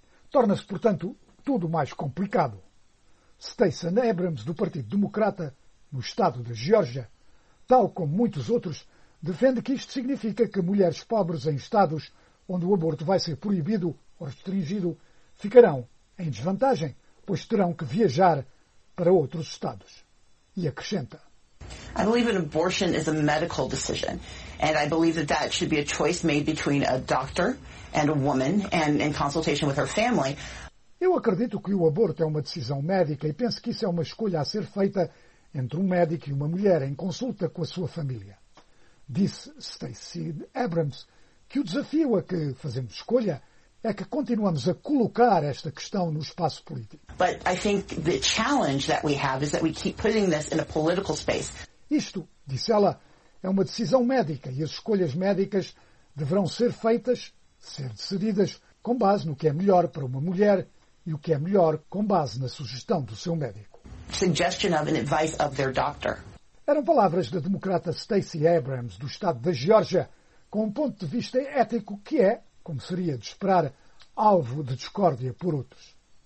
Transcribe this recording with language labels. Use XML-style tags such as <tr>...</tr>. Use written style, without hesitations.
<pt>Torna-se, portanto, tudo mais complicado. Stacey Abrams, do Partido Democrata, no estado da Geórgia, tal como muitos outros, defende que isto significa que mulheres pobres em estados onde o aborto vai ser proibido ou restringido ficarão em desvantagem, pois terão que viajar para outros estados. E acrescenta:</pt> <en>I believe an abortion is a medical decision, and I believe that that should be a choice made between a doctor and a woman and in consultation with her family.</en> <pt>Eu acredito que o aborto é uma decisão médica e penso que isso é uma escolha a ser feita entre um médico e uma mulher em consulta com a sua família. Disse Stacey Abrams que o desafio a que fazemos escolha é que continuamos a colocar esta questão no espaço político.</pt> <en>But I think the challenge that we have is that we keep putting this in a political space.</en> <pt>Isto, disse ela, é uma decisão médica e as escolhas médicas deverão ser feitas, ser decididas, com base no que é melhor para uma mulher e o que é melhor com base na sugestão do seu médico.</pt> <en>Suggestion of an advice of their doctor.</en> <pt>Eram palavras da democrata Stacey Abrams, do estado da Geórgia, com um ponto de vista ético que é, como seria de esperar, alvo de discórdia por outros.</pt>